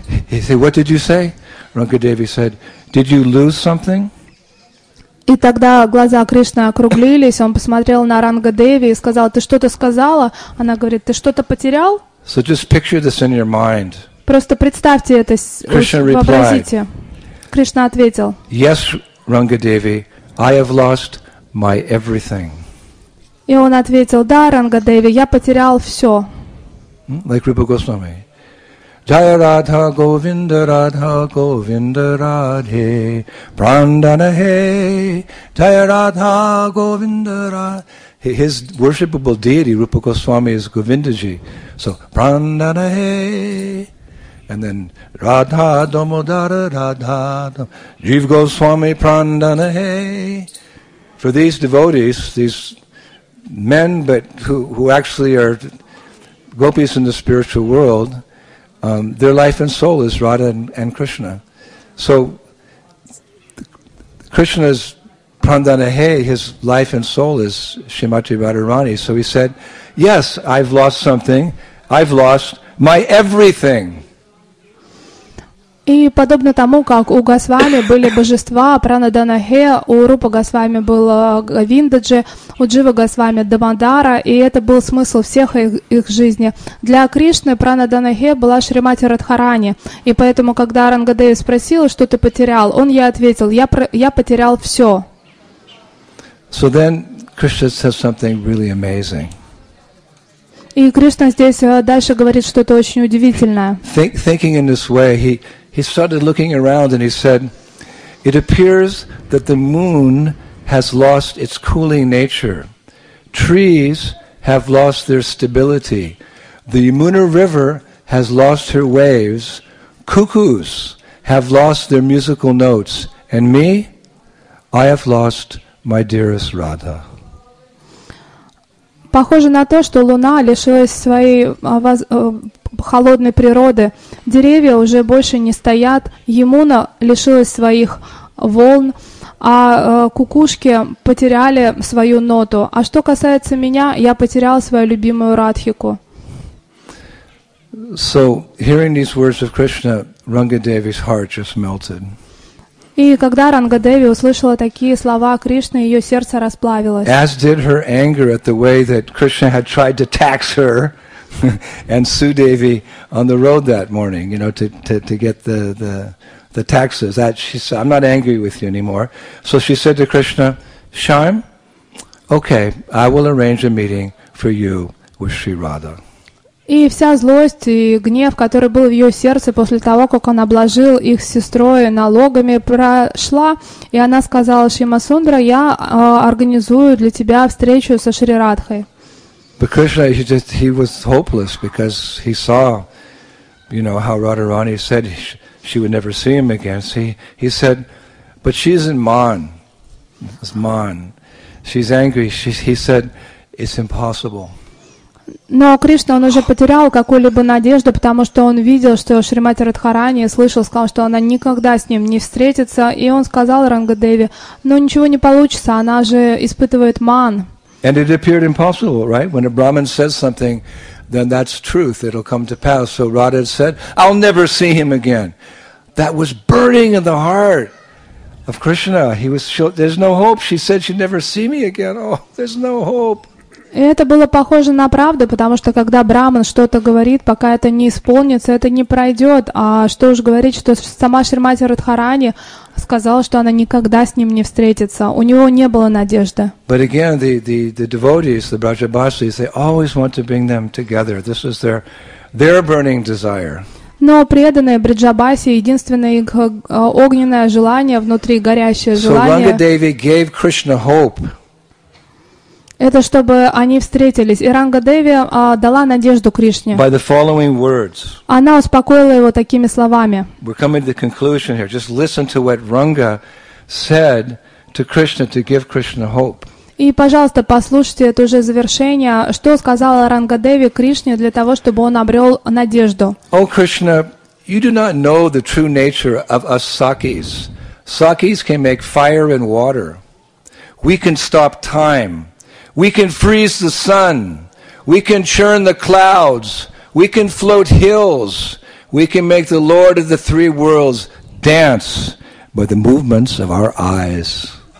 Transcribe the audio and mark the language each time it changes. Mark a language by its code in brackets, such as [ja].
[en] He said, "What did you say?" Ranga Devi said, "Did you lose something?" [ru] И тогда глаза Кришны округлились. Он посмотрел на Ранга Деви и сказал: "Ты что-то сказала?" Она говорит: "Ты что-то потерял?" [en] So just picture this in your mind. [ru] Просто представьте это. [en] Krishna replied. [ru] Кришна ответил. [en] Yes, Ranga Devi. I have lost my everything. [ru] И он ответил: да, Ранга Деви, я потерял все. [en] Like Rupa Goswami. [sa] Jaya Radha Govinda Radha Govinda Radhe Prandanahe Jaya Radha Govinda Radhe. [en] His worshipable deity, Rupa Goswami, is Govindaji. So, Prandanahe. And then Radha Domodara Radha Jeev Goswami Prandanahe. For these devotees, these men but who actually are gopis in the spiritual world, their life and soul is Radha and Krishna. So Krishna's Prandanahe, his life and soul is Srimati Radharani. So he said, yes, I've lost something. I've lost my everything. [ru] И подобно тому, как у Госвами были божества, Пранаданахе, у Рупа Госвами был Виндаджи, у Джива Госвами Дамодара, и это был смысл всех их жизни. Для Кришны Пранаданахе была Шримати Радхарани, и поэтому, когда Ранга Деви спросил, что ты потерял, он ей ответил: я потерял все. [en] So then Krishna says something really amazing. [ru] И Кришна здесь дальше говорит что-то очень удивительное. [en] Thinking in this way, He started looking around and he said, "It appears that the moon has lost its cooling nature. Trees have lost their stability. The Yamuna River has lost her waves. Cuckoos have lost their musical notes. And me, I have lost my dearest Radha." [ru] Похоже на то, что луна лишилась своей холодной природы. Деревья уже больше не стоят. Ямуна лишилась своих волн, а кукушки потеряли свою ноту. А что касается меня, я потерял свою любимую Радхику. [en] So, hearing these words of Krishna, Ранга Деви's heart just melted. [ru] И когда Ранга Деви услышала такие слова Кришны, ее сердце расплавилось. [en] As did her anger at the way that Krishna had tried to tax her and Sudevi on the road that morning, you know, to get the taxes. That she said, I'm not angry with you anymore. So she said to Krishna, Sharm, okay, I will arrange a meeting for you with Sri Radha. [ru] И вся злость и гнев, который был в ее сердце после того, как он обложил их с сестрой налогами, прошла, и она сказала Шрима Сундра, я организую для тебя встречу со Шри Радхой. [en] But Krishna, he was hopeless because he saw, you know, how Radharani said she would never see him again. So he said, but she's in Mon. It's Mon. She's angry. He said, it's impossible. [ru] Но Кришна, он уже потерял какую-либо надежду, потому что он видел, что Шримати Радхарани слышал, сказал, что она никогда с ним не встретится, и он сказал Ранга Деви, ну ничего не получится, она же испытывает ман. [en] And it appeared impossible, right? When a Brahmin says something, then that's truth, it'll come to pass. So Radha said, I'll never see him again. That was burning in the heart of Krishna. He was, there's no hope. She said she'd never see me again. Oh, there's no hope. [ru] И это было похоже на правду, потому что когда Брахман что-то говорит, пока это не исполнится, это не пройдет. А что уж говорить, что сама Шримати Радхарани сказала, что она никогда с ним не встретится. У него не было надежды. [en] But again, the devotees, the Brajabasis, they always want to bring them together. This is their burning desire. [ru] Но преданные Бриджабаси, единственное их огненное желание внутри, горящее желание. [en] So Ranga Devi gave Krishna hope. [ru] Это чтобы они встретились. И Ранга Деви дала надежду Кришне. By the following words. Она успокоила его такими словами. [en] We're coming to the conclusion here. Just listen to what Ranga said to Krishna to give Krishna hope. [ru] И, пожалуйста, послушайте это уже завершение. Что сказала Ранга Деви Кришне для того, чтобы он обрел надежду? [en] Oh, Krishna, you do not know the true nature of us Sakis. Sakis can make fire and water. We can stop time. We can freeze the sun, we can churn the clouds, we can float hills, we can make the Lord of the three worlds dance by the movements of our eyes.